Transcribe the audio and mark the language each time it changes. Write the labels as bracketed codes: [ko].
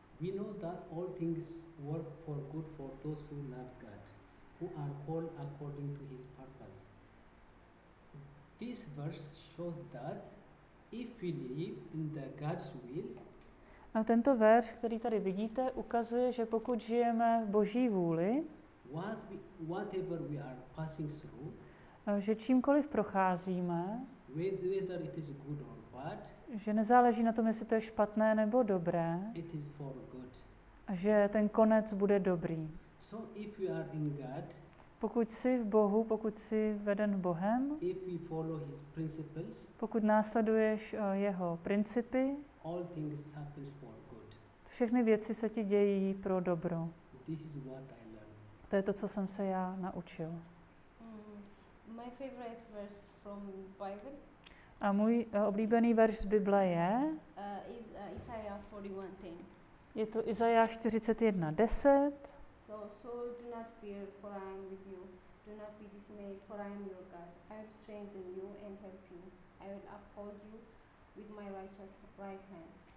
[en] We know that all things work for good for those who love God, who are called according to his purpose. This verse shows that if we live in the God's will. [cs] A tento verš, který tady vidíte, ukazuje, že pokud žijeme v Boží vůli, [en] whatever we are passing through, [cs] že čímkoliv procházíme, [en] whether it is good or bad, [cs] že nezáleží na tom, jestli to je špatné nebo dobré, [en] it is for good, [cs] že ten konec bude dobrý. [en] So if we are in God, [cs] pokud jsi v Bohu, pokud jsi veden Bohem, [en] if we follow his principles, [cs] pokud následuješ jeho principy, [en] all things happen for good. [cs] Všechny věci se ti dějí pro dobro. [en] This is what I learned. [cs] To je to, co jsem se já naučil. [en] My favorite verse from Bible. [cs] A můj oblíbený verš z Bible je [en] Isaiah 41:10. [cs] Je to Isaiah 41:10. [en] So do not fear, for I am with you. Do not be dismayed, for I am your God. I will strengthen you and help you. I will uphold you with my righteous right hand.